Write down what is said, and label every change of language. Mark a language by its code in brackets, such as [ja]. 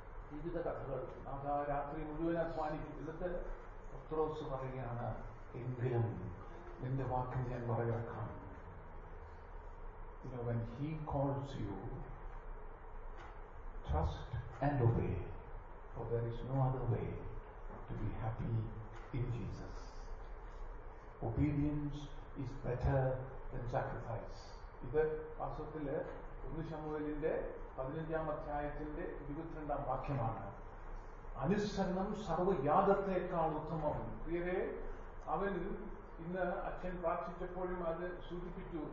[ml] ജീവിത കഥകൾ നാഥ രാത്രി മുഴുവൻ അധ്വാനിക്കും. ഇതൊക്കെ എത്ര ദിവസം പറയുകയാണ്, എങ്കിലും നിന്റെ വാക്കിന് ഞാൻ പറയാക്കാം. [en] When he calls you, trust and obey, for there is no other way to be happy in Jesus. Obedience is better than sacrifice. [ml] ഇത് വാസ്തവത്തില് 1 ശമൂവേലിന്റെ 15-ാം അധ്യായത്തിന്റെ 22-ാം വാക്യമാണ്. അനുസരണം സർവയാഗത്തേക്കാൾ ഉത്തമം. പ്രിയരെ, അവൻ ഇന്ന് അച്ഛൻ പ്രാർത്ഥിച്ചപ്പോഴും അത് സൂചിപ്പിച്ചു.